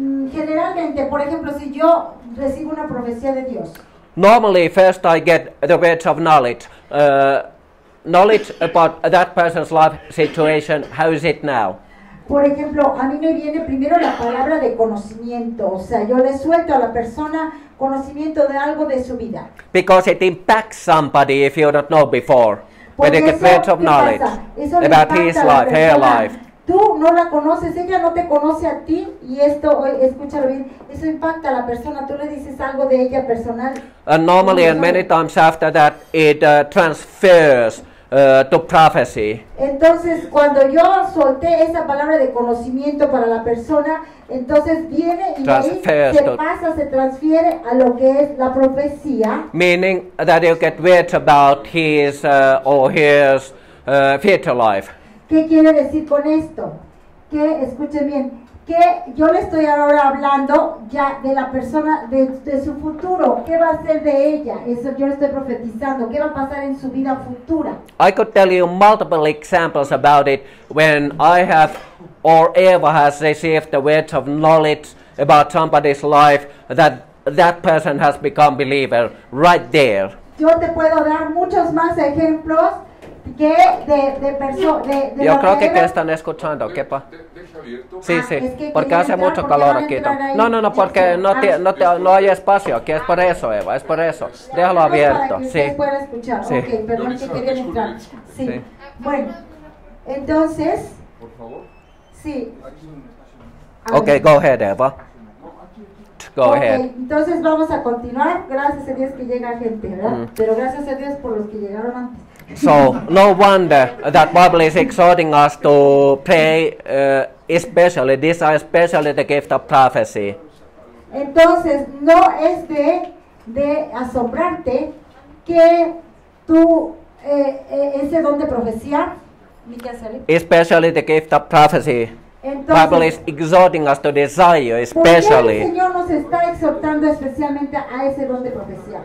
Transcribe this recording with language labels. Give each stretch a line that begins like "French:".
Spanish: Generalmente, por ejemplo, si yo recibo una profecía de Dios.
English: Normally, first I get the words of knowledge. Knowledge about that person's life situation, how is it now?
Spanish: Por ejemplo, a mí me viene primero la palabra de conocimiento. O sea, yo le suelto a la persona conocimiento de algo de su vida.
English: Because it impacts somebody if you don't know before. When they get words of knowledge about his life, her life.
Spanish: Tú no la conoces, ella no te conoce a ti, y esto, escúchalo bien, eso impacta a la persona, tú le dices algo de ella personal.
English: And normally and many times after that, it transfers to prophecy.
Spanish: Entonces, cuando yo solté esa palabra de conocimiento para la persona, entonces viene y se transfiere a lo que es la profecía.
English: Meaning that you get words about his or his future life.
Spanish: ¿Qué quiere decir con esto? Que, escuchen bien, que yo le estoy ahora hablando ya de la persona, de su futuro. ¿Qué va a ser de ella? Eso yo le estoy profetizando. ¿Qué va a pasar en su vida futura?
English: I could tell you multiple examples about it when I have or Eva has received the words of knowledge about somebody's life that person has become believer right there.
Spanish: Yo te puedo dar muchos más ejemplos. Yo creo que están escuchando, ¿qué pa? Sí, es que porque hace mucho calor aquí. No, porque no hay espacio aquí, es por eso, Eva, es por eso. Déjalo abierto, para que sí. Escuchar. Sí. Okay, perdón, no, que quería entrar. Sí. Bueno, entonces. Por favor. Sí.
English: Okay, go ahead, Eva.
Spanish: Entonces vamos a continuar. Gracias a Dios que llega gente, ¿verdad? Mm. Pero gracias a Dios por los que llegaron antes.
English: So, no wonder that Bible is exhorting us to pray especially, these are especially the gift of prophecy.
Spanish: Entonces, no es de asombrarte que tú, ese don de profecía,
English: especially the gift of prophecy.
Spanish: Entonces,
English: Bible is exhorting us to desire especially.
Spanish: ¿Por qué el Señor nos está exhortando especialmente a ese don de profecía?